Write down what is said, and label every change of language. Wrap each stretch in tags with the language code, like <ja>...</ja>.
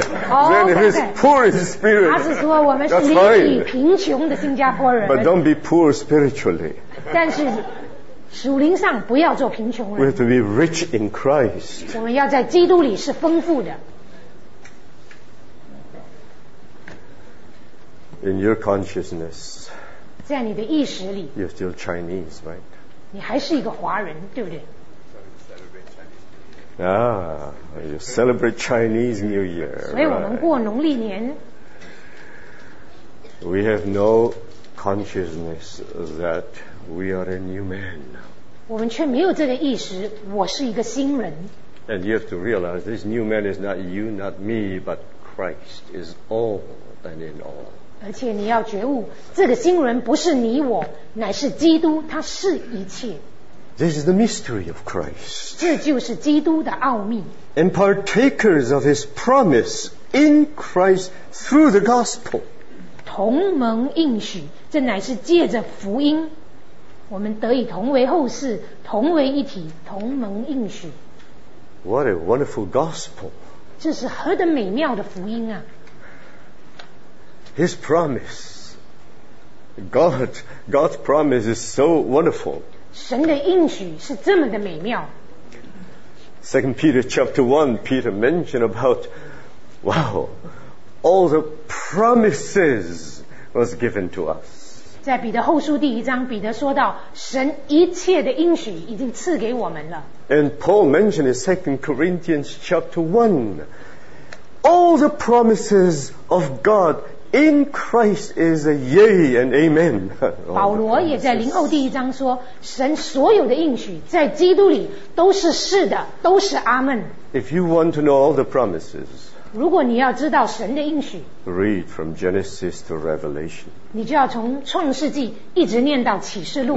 <en>Then if it's poor in spirit,</en> <zh>他是说我们是灵里贫穷的新加坡人。</zh> <en>But don't be poor spiritually.</en> <zh>但是属灵上不要做贫穷人。</zh> <en>We have to be rich in Christ.</en> <zh>我们要在基督里是丰富的。</zh> <en>In your consciousness,</en> <zh>在你的意识里</zh> <en>you're still Chinese, right?</en> <zh>你还是一个华人，对不对？</zh> <en>You celebrate Chinese New Year.</en> <zh>所以我们过农历年。</zh> <en>We have no consciousness that we are a new man.</en> <zh>我们却没有这个意识，我是一个新人。</zh> <en>And you have to realize this new man is not you, not me, but Christ is all and in all.</en> <zh>而且你要觉悟，这个新人不是你我，乃是基督，他是一切。</zh> <en>This is the mystery of Christ.</en> <zh>这就是基督的奥秘。</zh> <en>And partakers of His promise in Christ through the gospel.</en> <zh>同盟应许，这乃是借着福音，我们得以同为后嗣，同为一体，同盟应许。</zh> <en>What a wonderful gospel.</en> <zh>这是何等美妙的福音啊。</zh> <en>His promise. God's promise is so wonderful.</en> <zh>神的应许是这么的美妙。</zh> <en>2 Peter chapter 1, Peter mentioned about, wow, all the promises was given to us.</en> <zh>在彼得后书第一章，彼得说到，神一切的应许已经赐给我们了。</zh> <en>And Paul mentioned in 2 Corinthians chapter 1, all the promises of God in Christ is a yea and amen.</en> <zh>保罗也在林后第一章说，神所有的应许在基督里都是是的，都是阿们。</zh> <en>If you want to know all the promises,</en> <zh>如果你要知道神的应许</zh> <en>Read from Genesis to Revelation</en> <zh>你就要从创世纪一直念到启示录</zh>